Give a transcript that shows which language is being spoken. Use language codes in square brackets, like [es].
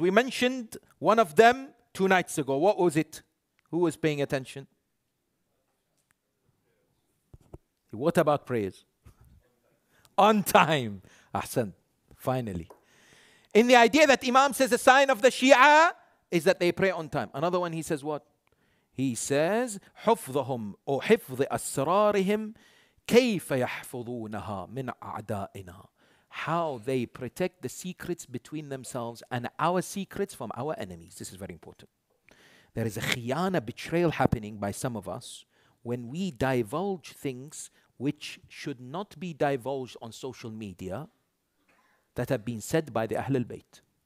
[en] We mentioned one of them two nights ago. What was it? Who was paying attention? What about prayers? On time. Ahsan, finally. In the idea that Imam says a sign of the Shia is that they pray on time. Another one, he says what? He says, [ar] حفظهم أو حفظ أسرارهم كيف يحفظونها من أعدائنا. [en] How they protect the secrets between themselves and our secrets from our enemies. This is very important. There is a khiyana, betrayal happening by some of us when we divulge things which should not be divulged on social media that have been said by the Ahlul Bayt.